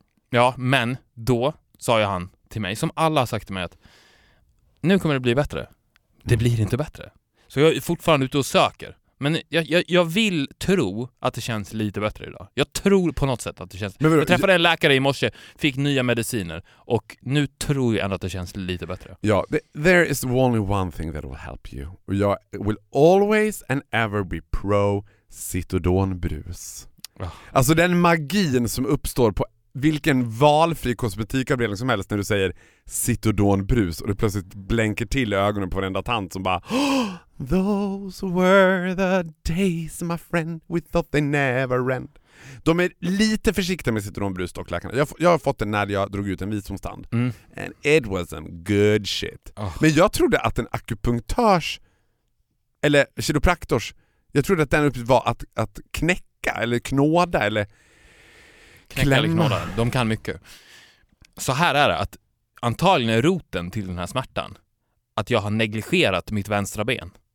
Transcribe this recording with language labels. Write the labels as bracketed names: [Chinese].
[Swedish] Ja, men då sa ju han till mig, som alla har sagt till mig, att nu kommer det bli bättre. Det blir inte bättre. Så jag är fortfarande ute och söker. Men jag vill tro att det känns lite bättre idag. Jag tror på något sätt att det känns... Jag träffade en läkare i morse, fick nya mediciner, och nu tror jag ändå att det känns lite bättre. [English] Ja, there is only one thing that will help you. Jag will always and ever be pro Citodon brus. [Swedish] Alltså den magin som uppstår på vilken valfri kosmetikavdelning som helst när du säger Citodon brus och det plötsligt blänker till ögonen på varenda tant som bara... [English] Those were the days, my friend, we thought they never end. [Swedish] De är lite försiktiga med citronbrus dock, läkarna. Jag har fått den när jag drog ut en visdomstand. Mm. [English] And it was some good shit. Oh. [Swedish] Men jag trodde att en akupunktörs, eller kiropraktors, jag trodde att den uppgift var att knäcka eller knåda eller klämma. Knäcka eller knåda, de kan mycket. Så här är det, att antagligen är roten till den här smärtan att jag har negligerat mitt vänstra ben.